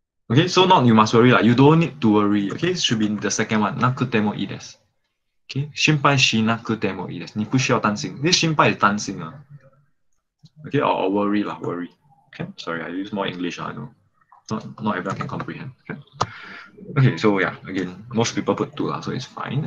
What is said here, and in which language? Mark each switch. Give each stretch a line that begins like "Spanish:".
English: Okay, so not you must worry, you don't need to worry. Okay, it should be the second one.
Japanese: Nakutemo ii desu. Okay, 心配しなくてもいいです。
Chinese: 你不需要担心.
English: This 心配 is 担心.Okay, or worry lah, worry. Okay, sorry, I use more English, I know. Not everyone can comprehend. Okay, so yeah, again, most people put 2 lah, so it's fine.